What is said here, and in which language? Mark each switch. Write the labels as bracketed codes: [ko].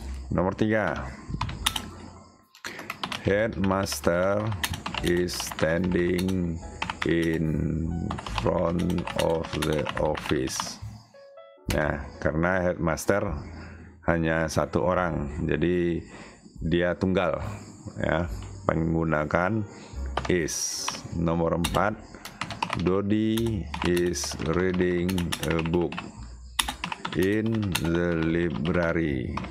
[id] Nomor tiga, [en] headmaster is standing in front of the office. [id] Nah, karena headmaster hanya satu orang, jadi dia tunggal ya, menggunakan is. Nomor 4, [en] Dodi is reading a book in the library.